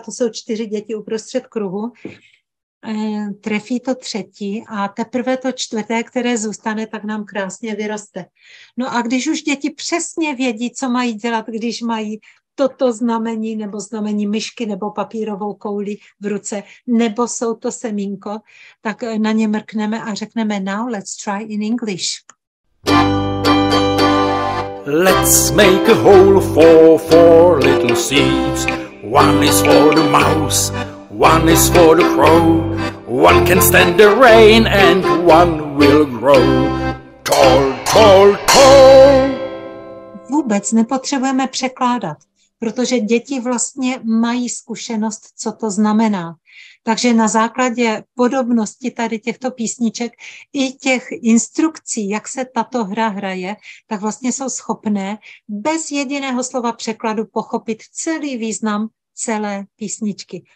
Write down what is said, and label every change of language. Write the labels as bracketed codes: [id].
[cs] To jsou 4 děti uprostřed kruhu. Trefí to třetí a teprve to čtvrté, které zůstane, tak nám krásně vyroste. No a když už děti přesně vědí, co mají dělat, když mají toto znamení nebo znamení myšky nebo papírovou kouli v ruce, nebo jsou to semínko, tak na ně mrkneme a řekneme [en] now let's try in English. Let's make a hole for four little seeds. One is for the mouse, one is for the crow. One can stand the rain and one will grow. Tall, tall, tall. [cs] Vůbec nepotřebujeme překládat, protože děti vlastně mají zkušenost, co to znamená. Takže na základě podobnosti tady těchto písniček i těch instrukcí, jak se tato hra hraje, tak vlastně jsou schopné bez jediného slova překladu pochopit celý význam celé písničky.